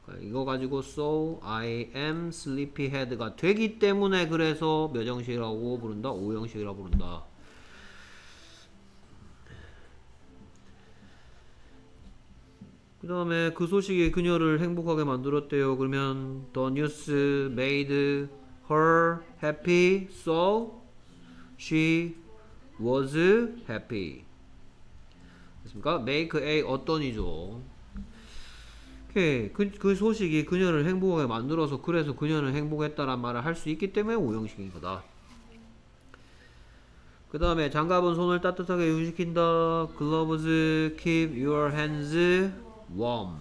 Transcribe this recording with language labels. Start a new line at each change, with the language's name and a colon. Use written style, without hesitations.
Korean: 이거 가지고
English: so I am sleepy head
Korean: 가 되기 때문에 그래서 몇 형식이라고 부른다? 5형식이라고 부른다. 그 다음에 그 소식이 그녀를 행복하게 만들었대요. 그러면
English: the news made her happy, so she was happy.
Korean: 됐습니까?
English: make a
Korean: 어떤이죠. 오케이. 그 소식이 그녀를 행복하게 만들어서 그래서 그녀는 행복했다란 말을 할 수 있기 때문에 5형식인 거다. 그 다음에 장갑은 손을 따뜻하게 유지시킨다.
English: gloves keep your hands warm.